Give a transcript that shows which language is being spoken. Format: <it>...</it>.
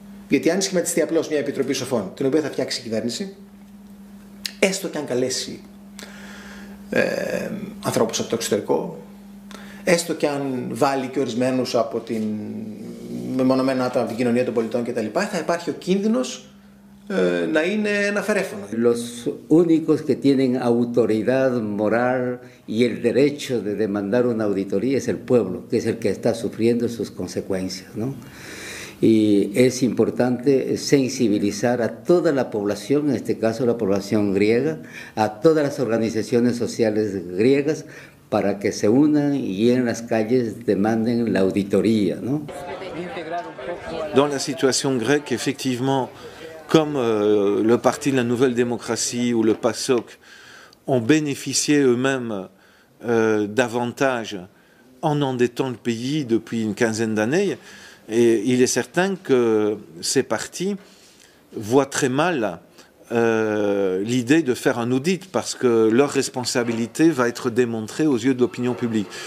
<el>Γιατί αν σχηματιστεί απλώς μία επιτροπή σοφών, την οποία θα φτιάξει η κυβέρνηση, έστω και αν καλέσει ανθρώπους από το εξωτερικό, έστω και αν βάλει και ορισμένους από την μεμονωμένα άτομα από την κοινωνία των πολιτών κτλ., θα υπάρχει ο κίνδυνος να είναι ένα φερέφωνο.</el> <es>Los únicos que tienen autoridad moral y el derecho de demandar una auditoría es el pueblo, que es el que está sufriendo sus consecuencias, ¿no? Y es importante sensibilizar a toda la población, en este caso la población griega, a todas las organizaciones sociales griegas, para que se unan y en las calles demanden la auditoría, ¿no?</es> <fr>Dans la situation grecque, effectivement, comme le Parti de la Nouvelle Démocratie ou le PASOK ont bénéficié eux-mêmes d'avantages en endettant le pays depuis une quinzaine d'années, et il est certain que ces partis voient très mal l'idée de faire un audit parce que leur responsabilité va être démontrée aux yeux de l'opinion publique.</fr>